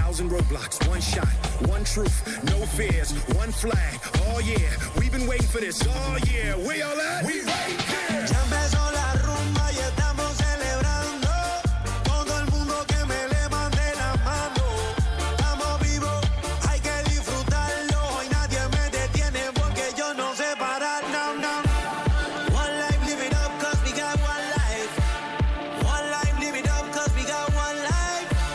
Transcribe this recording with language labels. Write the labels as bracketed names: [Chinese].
[English] Roadblocks, one shot, one truth, no fears, one flag. Oh yeah, we've been waiting for this all year. Where y'all at? We right here. [Spanish] Ya empezó la rumba y estamos celebrando. Todo el mundo que me levante la mano. Estamos vivos, hay que disfrutarlo. Hoy nadie me detiene porque yo no sé parar. No, no. [English] One life, live it up, cause we got one life. One life, live it up, cause we got one life.